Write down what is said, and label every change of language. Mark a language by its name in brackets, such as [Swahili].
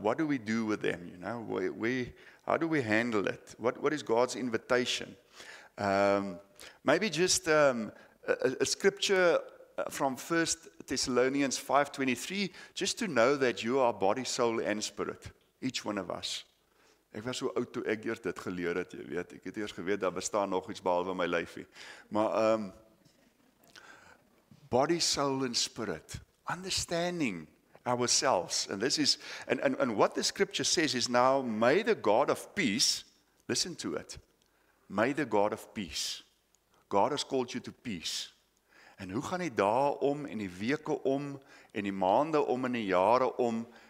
[English] What do we do with them? You know, how do we handle it? What is God's invitation? Maybe just a scripture from 1 Thessalonians 5:23, just to know that you are body, soul and spirit, each one of us. [Afrikaans] Ek was so oud toe ek eers dit geleer het, jy weet. Ek het eers geweet daar bestaan nog iets behalwe my lyfie. Maar [English] body, soul and spirit. Understanding ourselves. And this is and what the scripture says is now may the God of peace, listen to it. May the God of peace. God has called you to peace. [Afrikaans] En hoe gaan die dae om en die weke om en die maande om en die jare om?